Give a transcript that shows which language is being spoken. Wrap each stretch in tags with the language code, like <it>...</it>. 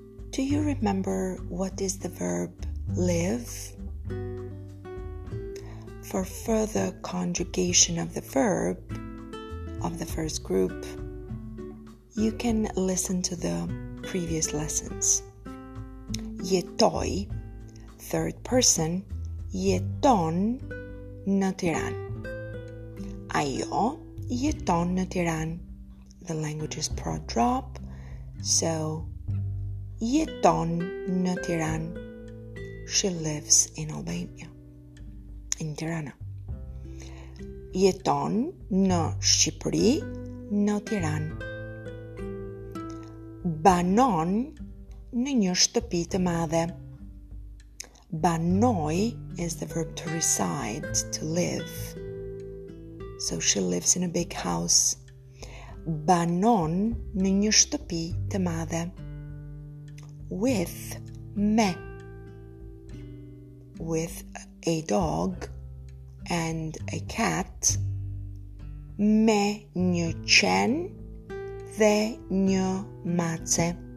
<en>Do you remember what is the verb live? For further conjugation of the verb of the first group, you can listen to the previous lessons.</en> <sq>Jetoj,</sq> <en>third person,</en> <sq>jeton në Tiran. Ajo jeton në Tiran.</sq> <en>The language is prodrop, so</en> <sq>jeton në Tiran.</sq> <en>She lives in Albania, in Tirana.</en> <sq>Jeton në Shqipëri, në Tiran. Banon në një shtëpi të madhe.</sq> <en>Banoj is the verb to reside, to live. So she lives in a big house.</en> <sq>Banon në një shtëpi të madhe.</sq> <en>With me. With a dog and a cat.</en> <sq>Me një qen dhe një mace.</sq>